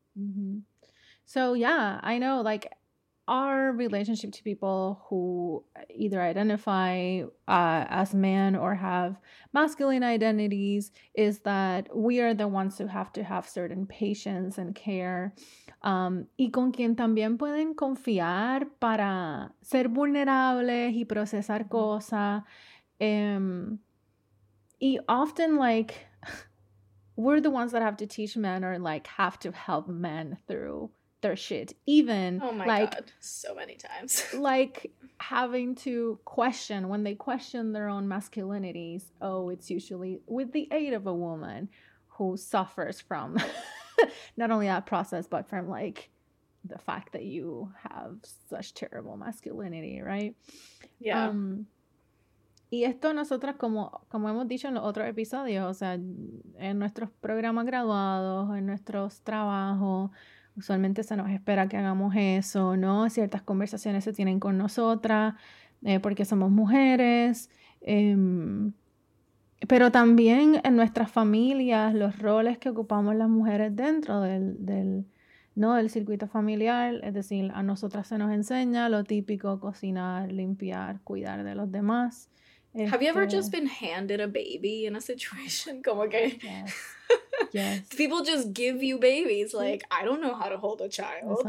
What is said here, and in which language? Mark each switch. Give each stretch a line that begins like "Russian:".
English: Mm-hmm. So, yeah, I know, like, our relationship to people who either identify as men or have masculine identities is that we are the ones who have to have certain patience and care.
Spanish: Y con quien también pueden confiar para ser vulnerables y procesar cosas.
English: Y often, like, we're the ones that have to teach men or, like, have to help men through their shit, even God, so many times like having to question when they question their own masculinities. Oh, it's usually with the aid of a woman who suffers from not only that process but from like the fact that you have such terrible masculinity, right? Yeah.
Spanish: Y esto nosotras, como hemos dicho en los otros episodios, o sea, en nuestros programas graduados, en nuestros trabajos, usualmente se nos espera que hagamos eso, ¿no? Ciertas conversaciones se tienen con nosotras porque somos mujeres. Pero también en nuestras familias, los roles que ocupamos las mujeres dentro del circuito familiar, es decir, a nosotras se nos enseña lo típico, cocinar, limpiar, cuidar de los demás.
English: Have you ever just been handed a baby in a situation?
Spanish: Como que...
English: Yes. Yes. People just give you babies. Like, I don't know how to hold a child.